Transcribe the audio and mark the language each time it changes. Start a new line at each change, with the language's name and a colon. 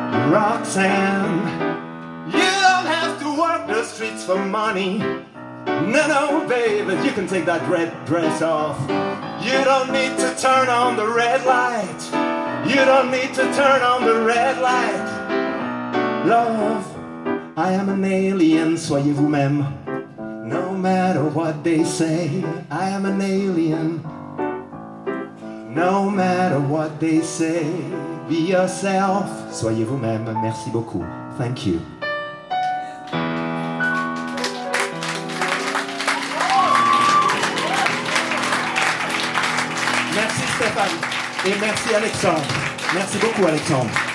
English: Roxanne, you don't have to walk the streets for money. No, no, baby, you can take that red dress off. You don't need to turn on the red light. You don't need to turn on the red light. Love, I am an alien,
French: soyez vous-même.
English: No matter what they say, I am an alien. No matter what they say, be yourself.
French: Soyez vous-même, merci beaucoup.
English: Thank you.
French: Merci Stéphane et merci Alexandre. Merci beaucoup Alexandre.